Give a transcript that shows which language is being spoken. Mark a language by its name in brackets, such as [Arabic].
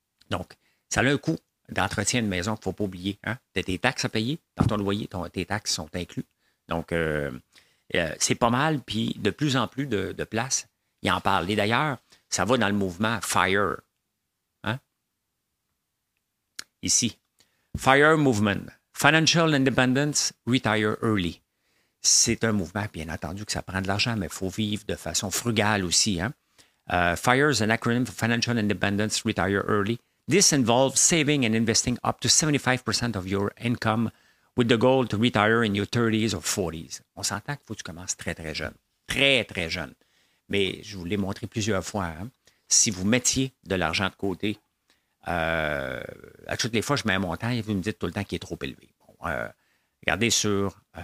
[French] Donc, ça a un coût d'entretien de maison qu'il ne faut pas oublier. Hein? Tu as tes taxes à payer dans ton loyer, tes taxes sont incluses. Donc, c'est pas mal. Puis, de plus en plus de places, ils en parlent. Et d'ailleurs, ça va dans le mouvement FIRE. Hein? Ici, FIRE Movement. [English] Financial Independence, Retire Early. [French] C'est un mouvement, bien entendu, que ça prend de l'argent, mais il faut vivre de façon frugale aussi. Hein? [English] FIRE is an acronym for Financial Independence Retire Early. This involves saving and investing up to 75% of your income with the goal to retire in your 30s or 40s. [French] On s'entend qu'il faut que tu commences très, très jeune. Très, très jeune. Mais je vous l'ai montré plusieurs fois. Hein? Si vous mettiez de l'argent de côté, à toutes les fois, je mets un montant et vous me dites tout le temps qu'il est trop élevé. Bon, regardez sur...